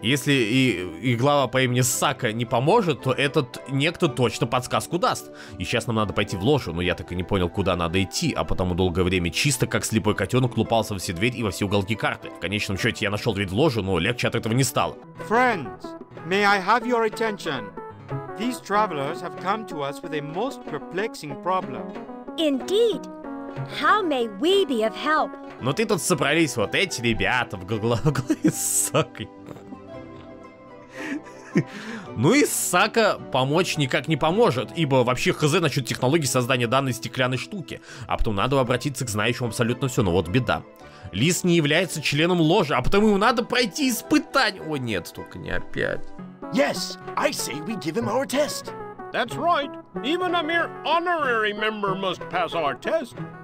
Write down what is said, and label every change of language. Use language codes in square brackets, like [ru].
[ru] Если и глава по имени Сака не поможет, то этот некто точно подсказку даст. И сейчас нам надо пойти в ложу, но я так и не понял, куда надо идти, а потому долгое время чисто, как слепой котенок, лупался во все двери и во все уголки карты. В конечном счете я нашел дверь в ложу, но легче от этого не стало. [en] Friends, may I have your attention? These travelers have come to us with a most perplexing problem. Indeed. How may we be of help? [ru] Ну ты тут собрались, вот эти ребята в главе с Сакой. Ну и Сака помочь никак не поможет, ибо вообще хз насчет технологии создания данной стеклянной штуки. А потом надо обратиться к знающему абсолютно все, но вот беда. Лис не является членом ложи, а потом ему надо пройти испытание. О нет, только не опять. [en] Yes, I say we give him our test. That's right. Even a mere honorary member must pass our test.